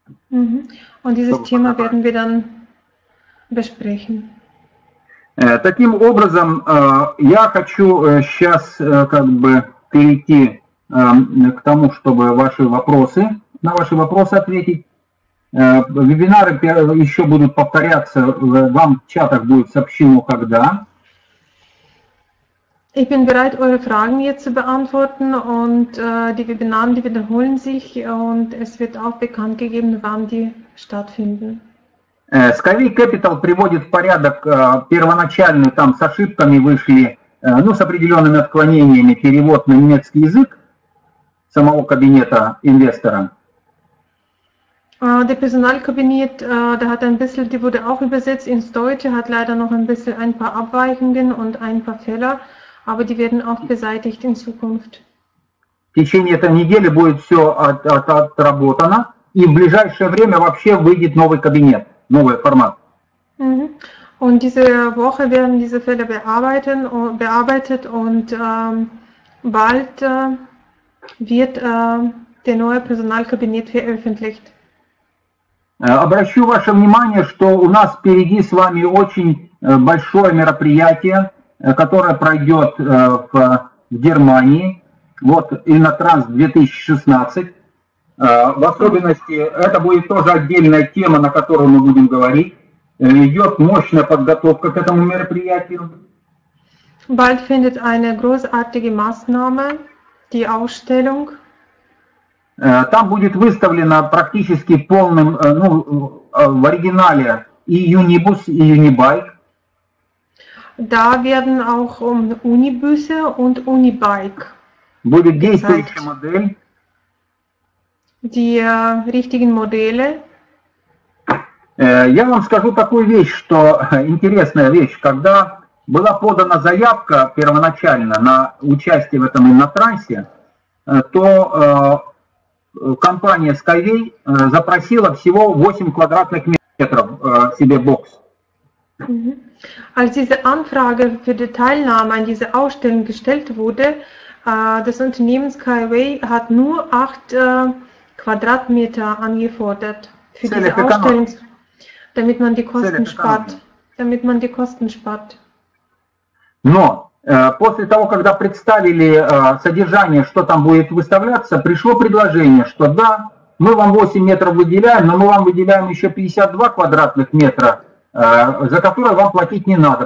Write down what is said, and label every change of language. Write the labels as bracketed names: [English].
[German] Und dieses Thema werden wir dann besprechen. [Russian] Таким образом, я хочу сейчас перейти к тому, чтобы на ваши вопросы ответить. Вебинары еще будут повторяться, вам в чатах будет сообщено, когда. [German] Ich bin bereit, eure Fragen jetzt zu beantworten und die Webinare, die wiederholen sich und es wird auch bekannt gegeben, wann die stattfinden. [Russian] Sky Capital приводит в порядок первоначальный, там с ошибками вышли, с определенными отклонениями перевод на немецкий язык самого кабинета инвестора. [German] Der Personalkabinett, da hat ein bisschen, die wurde auch übersetzt ins Deutsche, hat leider noch ein bisschen ein paar Abweichungen und ein paar Fehler, aber die werden auch beseitigt in Zukunft. [Russian] В течение этой недели будет все отработано, и в ближайшее время вообще выйдет новый кабинет, новый формат. [German] Und diese Woche werden diese Fehler bearbeitet und Bald wird der neue Personalkabinett veröffentlicht. [Russian] Обращу ваше внимание, что у нас впереди с вами очень большое мероприятие, которое пройдет в Германии, вот Инотранс 2016. В особенности, это будет тоже отдельная тема, на которую мы будем говорить. Идет мощная подготовка к этому мероприятию. [German] Bald findet eine großartige Maßnahme, die Ausstellung. [Russian] Там будет выставлено практически полным, ну, в оригинале и Unibus, и Unibike. [German] Da werden auch Unibusse und Unibike. [Russian] Будет действующая модель. [German] Die richtigen Modelle. [Russian] Я вам скажу такую вещь, что интересная вещь. Когда была подана заявка первоначально на участие в этом Иннотрансе, то компания Skyway запросила всего 8 квадратных метров себе бокс. [German] Als diese Anfrage für die Teilnahme an dieser Ausstellung gestellt wurde, das Unternehmen Skyway hat nur 8 Quadratmeter angefordert für diese Ausstellung, damit man die Kosten spart. Damit man die Kosten spart. [Russian] Но после того, когда представили содержание, что там будет выставляться, пришло предложение, что да, мы вам 8 метров выделяем, но мы вам выделяем еще 52 квадратных метра, за которые вам платить не надо.